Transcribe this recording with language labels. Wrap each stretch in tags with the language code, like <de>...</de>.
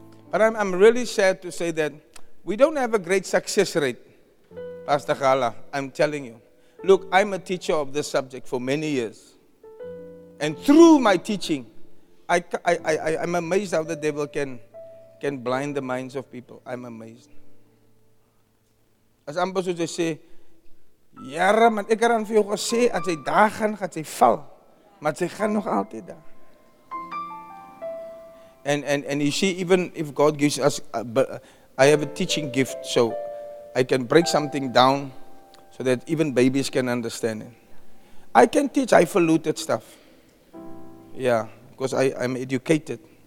<en>But I'm really sad to say that we don't have a great success rate, Pastor Gala, I'm telling you. Look, I'm a teacher of this subject for many years. And through my teaching, I'm amazed how the devil can blind the minds of people. I'm amazed. As ambos would say,</en> <af>yara man, ek gaan vir jou gesê, as jy daar gaan, gaan jy val, maar jy gaan nog altyd daar.</af> <en>And you see, even if God gives us, I have a teaching gift, so I can break something down so that even babies can understand it. I can teach highfalutin stuff. Yeah, because I'm educated.</en>